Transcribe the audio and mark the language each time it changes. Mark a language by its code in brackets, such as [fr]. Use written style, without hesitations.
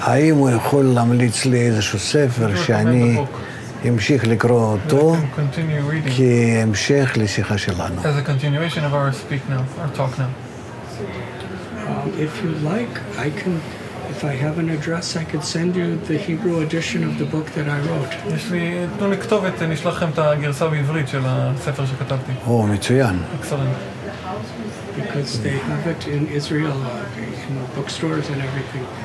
[he] האם הוא יכול להמליץ לי איזשהו ספר שאני המשיך לקרוא אותו כהמשך לשיחה שלנו. [en] As a continuation of our speak now, our talk now. If you like, I can, if I have an address, I could send you the Hebrew edition of the book that I wrote. [he] יש לי, תנו לי כתובת, נשלח לכם את הגרסה בעברית של הספר שכתבתי. או, מצוין. [en] Excellent. Because they have it in Israel, in bookstores and everything.